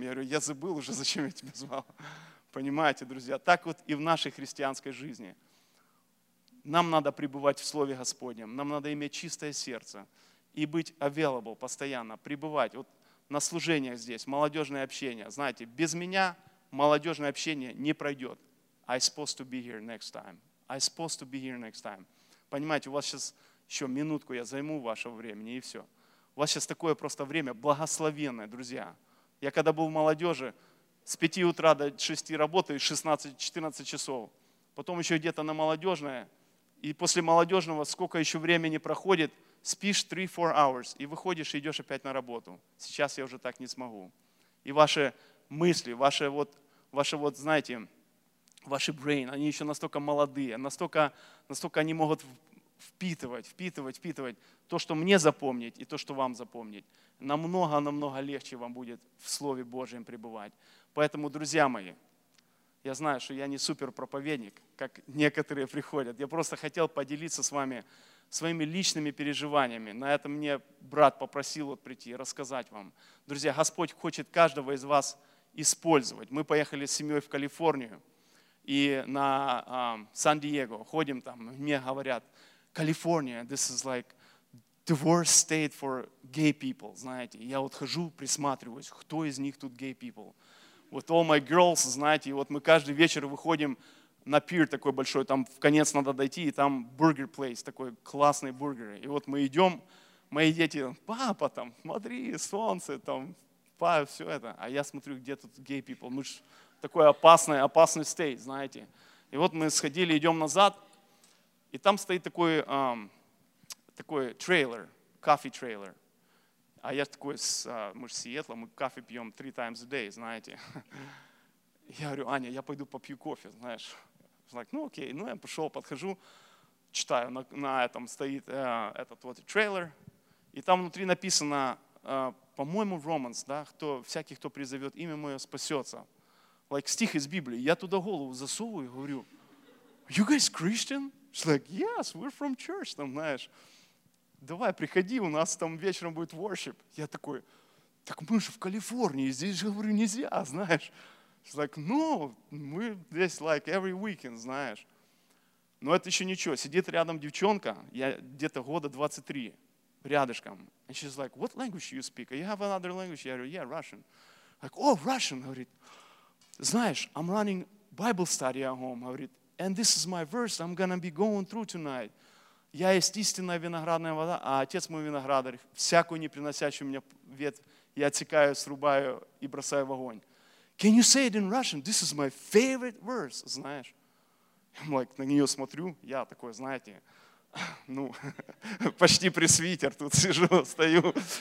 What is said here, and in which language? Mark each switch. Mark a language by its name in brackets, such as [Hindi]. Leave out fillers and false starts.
[Russian] Я говорю, я забыл уже, зачем я тебя звал. Понимаете, друзья, так вот и в нашей христианской жизни. Нам надо пребывать в Слове Господнем, нам надо иметь чистое сердце и быть [English] available [Russian] постоянно, пребывать. Вот на служениях здесь, молодежное общение. Знаете, без меня молодежное общение не пройдет. [English] I'm supposed to be here next time. I'm supposed to be here next time. [Russian] Понимаете, у вас сейчас еще минутку, я займу вашего времени и все. У вас сейчас такое просто время благословенное, друзья. Я когда был в молодежи, с 5 утра до 6 работаю, 16-14 часов. Потом еще где-то на молодежное. И после молодежного сколько еще времени проходит, спишь 3-4 [English] hours [Russian] и выходишь и идешь опять на работу. Сейчас я уже так не смогу. И ваши мысли, ваши знаете, ваши [English] brain, [Russian] они еще настолько молодые, настолько они могут впитывать. То, что мне запомнить и то, что вам запомнить, намного-намного легче вам будет в Слове Божьем пребывать. Поэтому, друзья мои, я знаю, что я не суперпроповедник, как некоторые приходят. Я просто хотел поделиться с вами своими личными переживаниями. На это мне брат попросил вот прийти и рассказать вам. Друзья, Господь хочет каждого из вас использовать. Мы поехали с семьей в Калифорнию и на Сан-Диего. Ходим там, мне говорят, Калифорния, [English] this is like the worst state for gay people, [Russian] знаете. Я вот хожу, присматриваюсь, кто из них тут [English] gay people. [Russian] Вот [English] all my girls, [Russian] знаете, и вот мы каждый вечер выходим на пир такой большой, там в конец надо дойти, и там [English] burger place, [Russian] такой классный бургер. И вот мы идем, мои дети, папа там, смотри, солнце там, папа, все это. А я смотрю, где тут [English] gay people. [Russian] Мы же такой опасный [English] state, [Russian] знаете. И вот мы сходили, идем назад, и там стоит такой... такой трейлер, кофе трейлер. А я такой, мы же с Сиэтла, мы кофе пьем [English] 3 times a day, [Russian] знаете. Я говорю, Аня, я пойду попью кофе, знаешь. [English] Like, [Russian] ну окей, ну я пошел, подхожу, читаю, на этом стоит этот вот трейлер. И там внутри написано, по-моему, Romans, да, кто, всякий, кто призовет имя мое, спасется. [English] Like, [Russian] стих из Библии. Я туда голову засовываю и говорю, [English] you guys Christian? She's like, yes, we're from church, [Russian] там, знаешь. Давай, приходи, у нас там вечером будет [English] worship. [Russian] Я такой, так мы же в Калифорнии, здесь же, говорю, нельзя, знаешь. [English] She's like, no, [Russian] мы здесь [English] like every weekend, [Russian] знаешь. Но это еще ничего, сидит рядом девчонка, я где-то года 23, рядышком. [English] And she's like, what language do you speak? You have another language? [Russian] Я говорю, [English] yeah, Russian. Like, oh, Russian, [Russian] говорит. Знаешь, [English] I'm running Bible study at home, [Russian] говорит. [English] And this is my verse I'm going to be going through tonight. [Russian] Я есть истинная виноградная вода, а отец мой виноградарь. Всякую неприносящую мне ветвь я отсекаю, срубаю и бросаю в огонь. [English] Can you say it in Russian? This is my favorite verse, [Russian] знаешь. [English] I'm like, [Russian] на нее смотрю, я такой, знаете, ну, почти пресвитер тут сижу, стою.